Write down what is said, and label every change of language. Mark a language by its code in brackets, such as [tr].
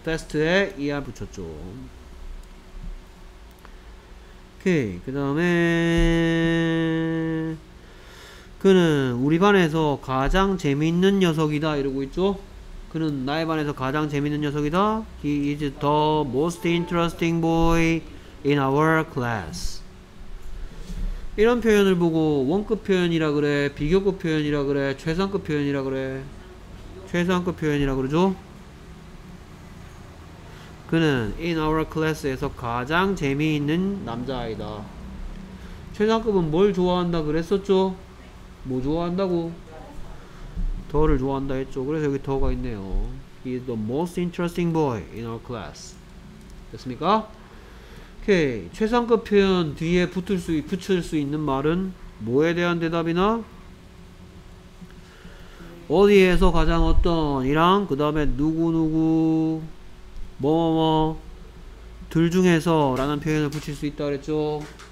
[ko] fast에 ER 붙였죠. 오케이. 그 다음에 그는 우리 반에서 가장 재밌는 녀석이다 이러고 있죠. 그는 나의 반에서 가장 재밌는 녀석이다. [en] He is the most interesting boy in our class. [ko] 이런 표현을 보고 원급 표현이라 그래, 비교급 표현이라 그래, 최상급 표현이라 그래. 최상급 표현이라 그러죠? 그는 [en] in our class [ko] 에서 가장 재미있는 남자아이다. 최상급은 뭘 좋아한다 그랬었죠? 뭐 좋아한다고? 더를 좋아한다 했죠. 그래서 여기 더가 있네요. [en] He is the most interesting boy in our class. [ko] 됐습니까? 오케이. 최상급 표현 뒤에 붙일 수 있는 말은 뭐에 대한 대답이나? 어디에서 가장 어떤 이랑 그 다음에 누구누구 뭐뭐뭐 둘 중에서 라는 표현을 붙일 수 있다 그랬죠.